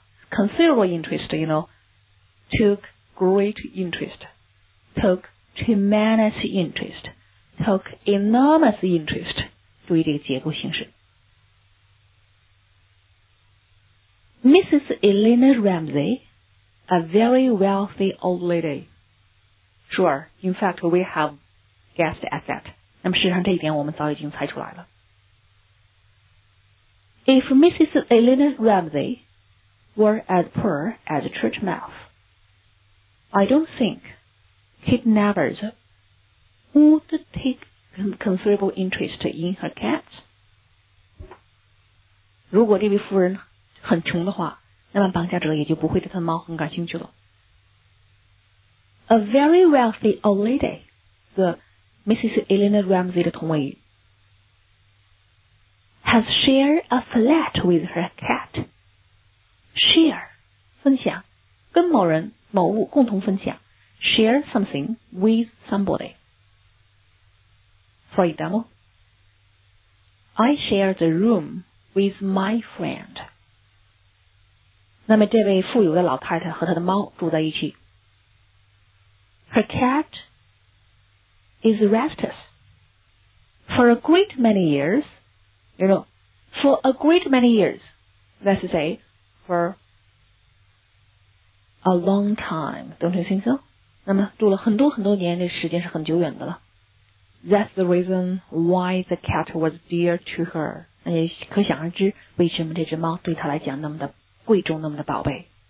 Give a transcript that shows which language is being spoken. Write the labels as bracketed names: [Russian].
[English] Considerable interest, you know, took great interest, took tremendous interest, took enormous interest, [Chinese] 注意这个结构形式。 [English] Mrs. Elena Ramsey, a very wealthy old lady. Sure, in fact, we have guessed at that. [Chinese] 那么事实上这一点我们早已经猜出来了。 [English] If Mrs. Elena Ramsey were as poor as church mouse, I don't think kidnappers would take considerable interest in her cats. [Chinese] 如果这位夫人很穷的话，那么绑架者也就不会对他的猫很感兴趣了。 [English] A very wealthy old lady, the Mrs. Elena Ramsey [Chinese] 的同位语 [English] has shared a flat with her cat. [Chinese] Share, 分享，跟某人某物共同分享。 [English] Share something with somebody. For example, I share the room with my friend. [Chinese] 那么这位富有的老太太和她的猫住在一起。 [English] Her cat is restless. For a great many years, you know, for a great many years, let's say, for a long time, don't you think so? [Chinese] 那么住了很多很多年，这时间是很久远的了。 [English] That's the reason why the cat was dear to her. [Chinese] 那也可想而知，为什么这只猫对她来讲那么的贵重，那么的宝贝。